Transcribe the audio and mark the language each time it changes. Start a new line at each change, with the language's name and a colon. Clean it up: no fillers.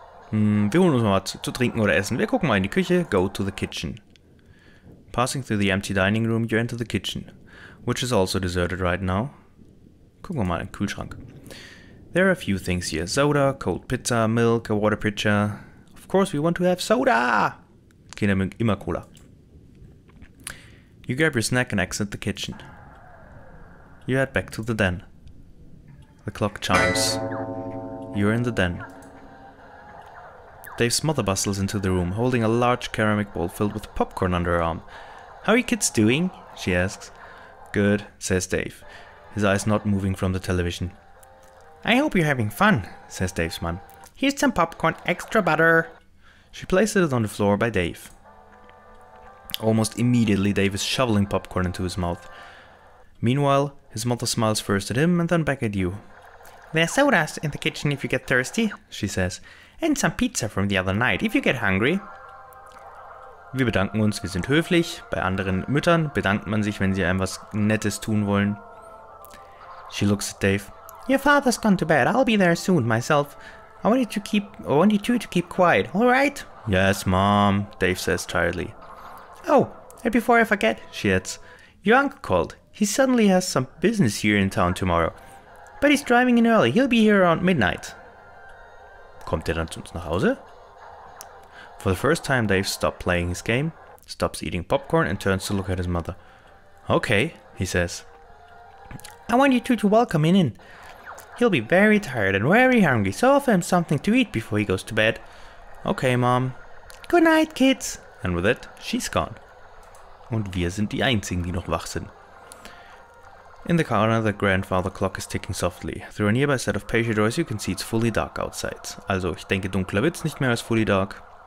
German: Wir holen uns mal was zu trinken oder essen. Wir gucken mal in die Küche.
English: Go to the kitchen. Passing through the empty dining room, you enter the kitchen, which is also deserted right now.
German: Gucken wir mal in den Kühlschrank.
English: There are a few things here. Soda, cold pizza, milk, a water pitcher. Of course we want to have soda!
German: Kinder mögen immer Cola.
English: You grab your snack and exit the kitchen. You head back to the den. The clock chimes. You're in the den. Dave's mother bustles into the room, holding a large ceramic bowl filled with popcorn under her arm. How are you kids doing? She asks. Good, says Dave, his eyes not moving from the television. I hope you're having fun, says Dave's mom. Here's some popcorn, extra butter. She places it on the floor by Dave. Almost immediately, Dave is shoveling popcorn into his mouth. Meanwhile, his mother smiles first at him and then back at you. There's sodas in the kitchen if you get thirsty, she says, and some pizza from the other night if you get hungry.
German: Wir bedanken uns, wir sind höflich. Bei anderen Müttern bedankt man sich, wenn sie einem was Nettes tun wollen.
English: She looks at Dave. Your father's gone to bed. I'll be there soon, myself. I want you two to keep quiet, all right? Yes, Mom, Dave says tiredly. Oh, and before I forget, she adds, your uncle called. He suddenly has some business here in town tomorrow. But he's driving in early. He'll be here around midnight.
German: Kommt er dann zu uns nach Hause?
English: For the first time, Dave stops playing his game, stops eating popcorn and turns to look at his mother. Okay, he says. I want you two to welcome him in. He'll be very tired and very hungry, so offer him something to eat before he goes to bed. Okay, Mom. Good night, kids. And with it, she's gone.
German: Und wir sind die Einzigen, die noch wach sind.
English: In the corner, the grandfather clock is ticking softly. Through a nearby set of patio doors, you can see it's fully dark outside.
German: Also, ich denke, dunkler wird's nicht mehr als
English: fully dark.